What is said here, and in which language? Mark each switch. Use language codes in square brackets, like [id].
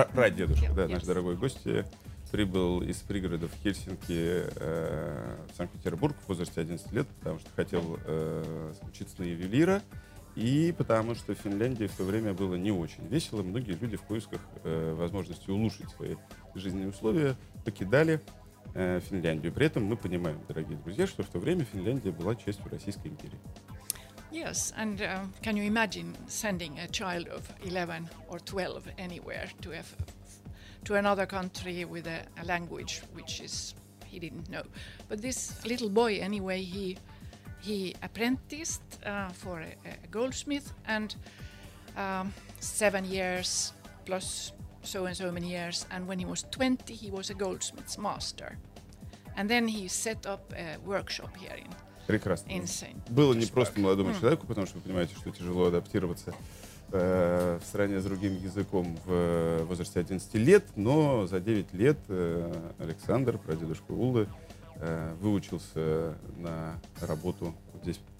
[ru] Прадедушка, да, наши дорогой гости. Прибыл из пригородов Хельсинки в Санкт-Петербург в возрасте 11 лет, потому что хотел учиться на ювелира. И потому что в Финляндии в то время было не очень весело. Многие люди в поисках возможности улучшить свои жизненные условия покидали Финляндию. При этом мы понимаем, дорогие друзья, что в то время Финляндия была частью Российской империи. [en] Yes, and can you imagine sending a child of 11 or 12 anywhere to another country with a language which is he didn't know? But this little boy, anyway, he apprenticed for a goldsmith, and 7 years plus so and so many years, and when he was 20, he was a goldsmith's master. And then he set up a workshop here in [ru] Прекрасно. [en] In [ru] было не просто молодому человеку, потому что вы понимаете, что тяжело адаптироваться в стране с другим языком в возрасте 11 лет, но за 9 лет Александр, прадедушка Улы, выучился на работу вот здесь.